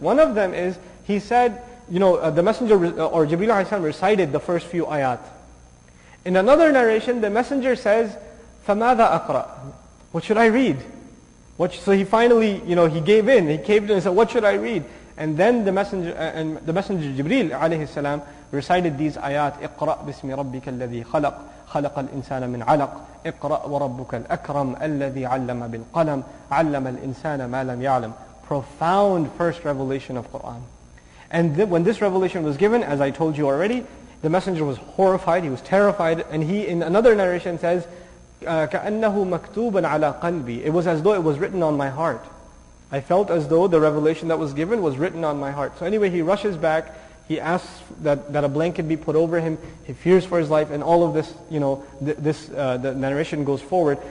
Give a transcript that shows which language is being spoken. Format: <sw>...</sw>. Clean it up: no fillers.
<en>One of them is, he said, you know, the Messenger, or Jibreel alayhi salam recited the first few ayat. In another narration, the Messenger says,</en> <ar>فَمَاذَا أَقْرَى.</ar> <en>What should I read? So he finally, you know, he gave in. He caved in and said, what should I read? And then the messenger Jibreel alayhi salam recited these ayat,</en> <ar>اقرأ بسم ربك الذي خلق خلق الإنسان من علق اقرأ وربك الأكرم الذي علم بالقلم علم الإنسان ما لم يعلم</ar> <en>Profound first revelation of Quran. And when this revelation was given, as I told you already, the Messenger was horrified, he was terrified, and he in another narration says,</en> <ar>كَأَنَّهُ مَكْتُوبًا عَلَىٰ قَلْبِي</ar> <en>It was as though it was written on my heart. I felt as though the revelation that was given was written on my heart. So anyway, he rushes back, he asks that a blanket be put over him, he fears for his life, and all of this, you know, the narration goes forward.</en>